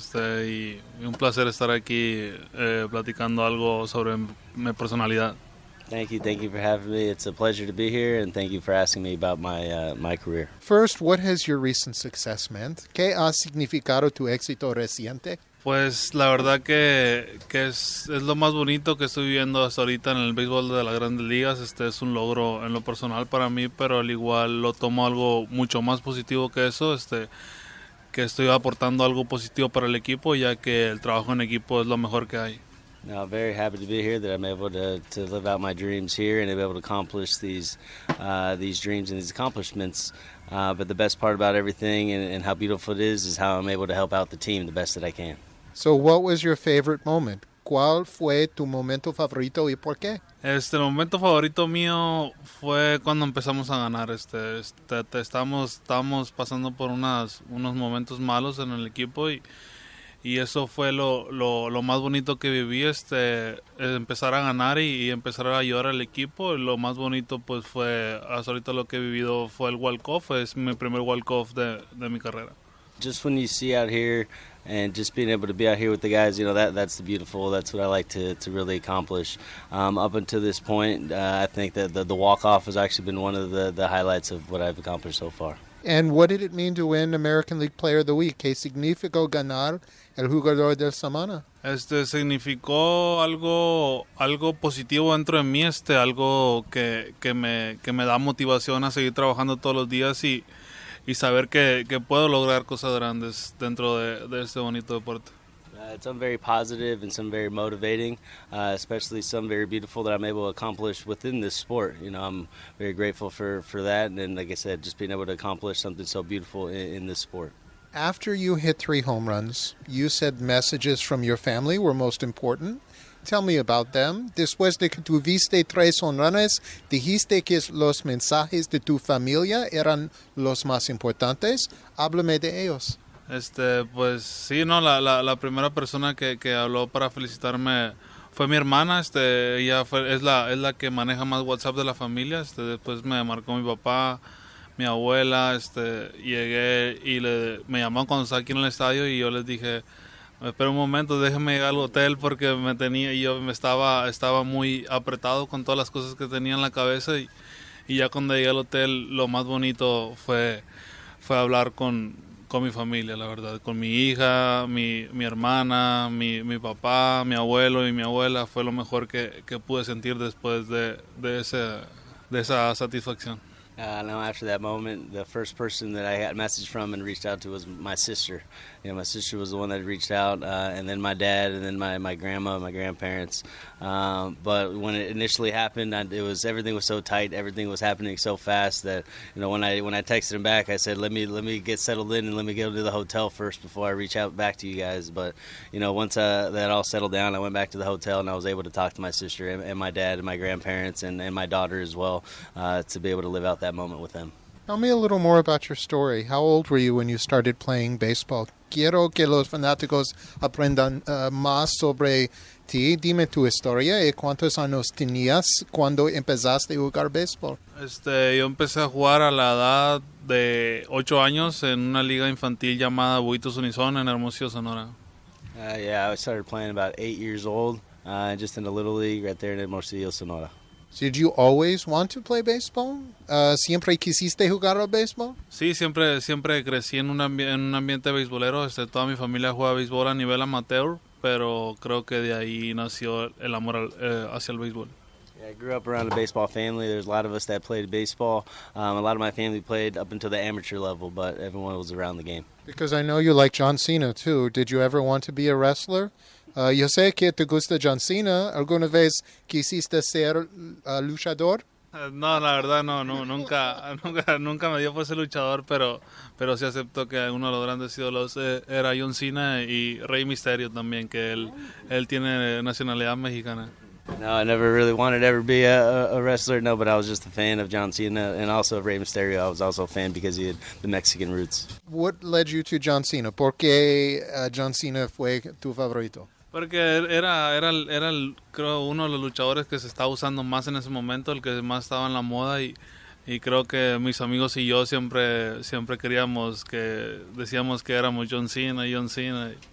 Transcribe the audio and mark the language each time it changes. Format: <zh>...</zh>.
<es>Un placer estar aquí platicando algo sobre mi personalidad.</es> <en>Thank you for having me. It's a pleasure to be here, and thank you for asking me about my career. First, what has your recent success meant?</en> <es>¿Qué ha significado tu éxito reciente? Pues la verdad que es lo más bonito que estoy viviendo hasta ahorita en el béisbol de las Grandes Ligas. Este es un logro en lo personal para mí, pero al igual lo tomo algo mucho más positivo que eso, que estoy aportando algo positivo para el equipo, ya que el trabajo en equipo es lo mejor que hay.</es> <en>Now, very happy to be here that I'm able to live out my dreams here and be able to accomplish these dreams and these accomplishments. But the best part about everything and how beautiful it is how I'm able to help out the team the best that I can. So what was your favorite moment?</en> <es>¿Cuál fue tu momento favorito y por qué? El momento favorito mío fue cuando empezamos a ganar. Estamos pasando por unos momentos malos en el equipo y eso fue lo más bonito que viví, empezar a ganar y empezar a ayudar al equipo. Lo más bonito pues fue, hasta ahorita lo que he vivido fue el walk-off, es mi primer walk-off de mi carrera.</es> <en>Just when you see out here and just being able to be out here with the guys, you know, that's the beautiful, that's what I like to really accomplish. Up until this point, I think that the walk-off has actually been one of the highlights of what I've accomplished so far. And what did it mean to win American League Player of the Week?</en> <es>¿Qué significó ganar el jugador de la semana? Significó algo positivo dentro de mí, algo que me da motivación a seguir trabajando todos los días y saber que puedo lograr cosas grandes dentro de este bonito deporte.</es> <en>It's some very positive and some very motivating, especially some very beautiful that I'm able to accomplish within this sport. You know, I'm very grateful for that. And like I said, just being able to accomplish something so beautiful in this sport. After you hit 3 home runs, you said messages from your family were most important. Tell me about them.</en> <es>Después de que tuviste 3 home runs, dijiste que los mensajes de tu familia eran los más importantes. Háblame de ellos. Pues sí, no, la primera persona que habló para felicitarme fue mi hermana. Ella es la que maneja más WhatsApp de la familia. Después me marcó mi papá, mi abuela. Llegué y me llamaron cuando estaba aquí en el estadio y yo les dije, espera un momento, déjeme ir al hotel porque me estaba muy apretado con todas las cosas que tenía en la cabeza y ya cuando llegué al hotel lo más bonito fue hablar con mi familia, la verdad, con mi hija, mi hermana, mi papá, mi abuelo y mi abuela. Fue lo mejor que pude sentir después de esa satisfacción.</es> <en>Now after that moment, the first person that I had a message from and reached out to was my sister. You know, my sister was the one that reached out, and then my dad, and then my grandma, my grandparents. But when it initially happened, everything was so tight, everything was happening so fast that, you know, when I texted him back, I said, let me get settled in and let me go to the hotel first before I reach out back to you guys. But, you know, once that all settled down, I went back to the hotel and I was able to talk to my sister and my dad and my grandparents and my daughter as well, to be able to live out that moment with them. Tell me a little more about your story. How old were you when you started playing baseball?</en> <es>Quiero que los fanáticos aprendan más sobre ti. Dime tu historia. ¿Y cuántos años tenías cuando empezaste a jugar béisbol? Yo empecé a jugar a la edad de 8 años en una liga infantil llamada Buitos Unison en Hermosillo, Sonora.</es> <en>I started playing about 8 years old, just in a little league right there in Hermosillo, Sonora. So did you always want to play baseball?</en> <es>¿Siempre quisiste jugar al béisbol? Sí, siempre crecí en un ambiente beisbolero. Toda mi familia juega béisbol a nivel amateur, pero creo que de ahí nació el amor hacia el béisbol.</es> <en>Yeah, I grew up around a baseball family. There's a lot of us that played baseball. A lot of my family played up until the amateur level, but everyone was around the game. Because I know you like John Cena, too. Did you ever want to be a wrestler?</en> <es>Yo sé que te gusta John Cena. ¿Alguna vez quisiste ser luchador? No, la verdad no, nunca me dio por ser luchador, pero sí acepto que uno de los grandes ídolos era John Cena y Rey Mysterio también, que él tiene nacionalidad mexicana.</es> <en>No, I never really wanted to ever be a wrestler, no, but I was just a fan of John Cena and also of Rey Mysterio. I was also a fan because he had the Mexican roots. What led you to John Cena?</en> <es>¿Por qué John Cena fue tu favorito? Porque era creo uno de los luchadores que se estaba usando más en ese momento, el que más estaba en la moda, y creo que mis amigos y yo siempre queríamos que decíamos que éramos John Cena.</es>